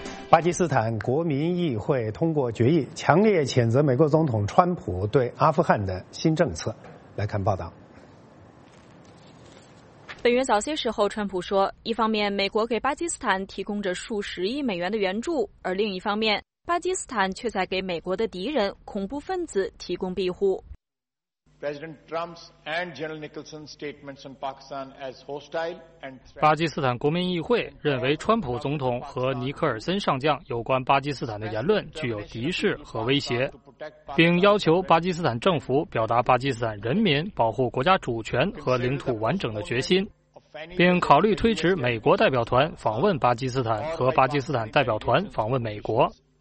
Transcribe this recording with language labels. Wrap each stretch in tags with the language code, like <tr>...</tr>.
<zh>巴基斯坦国民议会通过决议，强烈谴责美国总统川普对阿富汗的新政策。来看报道。本月早些时候，川普说，一方面美国给巴基斯坦提供着数十亿美元的援助，而另一方面巴基斯坦却在给美国的敌人恐怖分子提供庇护。</zh> <en>President Trump's and General Nicholson's statements on Pakistan as hostile and threat.</en> <zh>巴基斯坦国民议会认为川普总统和尼克尔森上将有关巴基斯坦的言论具有敌视和威胁，并要求巴基斯坦政府表达巴基斯坦人民保护国家主权和领土完整的决心，并考虑推迟美国代表团访问巴基斯坦和巴基斯坦代表团访问美国。</zh>